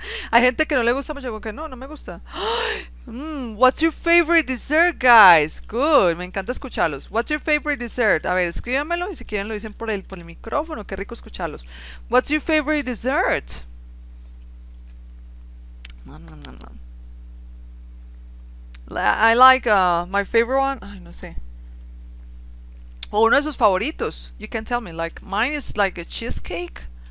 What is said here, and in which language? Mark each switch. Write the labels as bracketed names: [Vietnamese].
[Spanish] Hay gente que no le gusta mucho, que no, no me gusta. [English] What's your favorite dessert, guys? [Spanish] Good, me encanta escucharlos. [English] What's your favorite dessert? [Spanish] A ver, escríbanmelo y si quieren lo dicen por el micrófono. Qué rico escucharlos. [English] What's your favorite dessert? I like my favorite one. [Spanish] Ay, no sé. O uno de sus favoritos. [English] You can tell me. Like mine is like a cheesecake.